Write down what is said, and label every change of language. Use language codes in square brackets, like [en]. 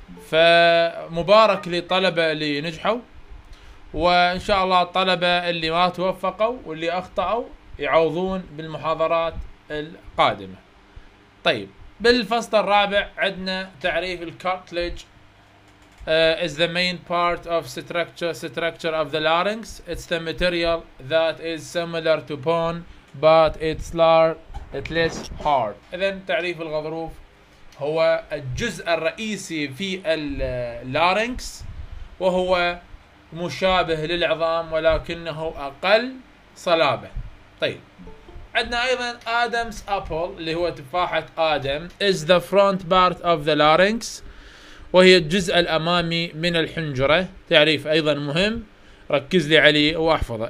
[ar] فمبارك للطلبه اللي نجحوا، وان شاء الله الطلبه اللي ما توفقوا واللي اخطاوا يعوضون بالمحاضرات القادمه. طيب، بالفصل الرابع عندنا تعريف الكارتليج. [en] Is the main part of structure of the larynx. It's the material that is similar to bone, but it's less hard. [ar] إذن تعريف الغضروف هو الجزء الرئيسي في اللارينx، وهو مشابه للعظام ولكنه أقل صلابة. طيب، عندنا ايضا ادمز ابل اللي هو تفاحة ادم. [en] is the front part of the larynx، [ar] وهي الجزء الامامي من الحنجرة. تعريف ايضا مهم، ركز لي عليه واحفظه.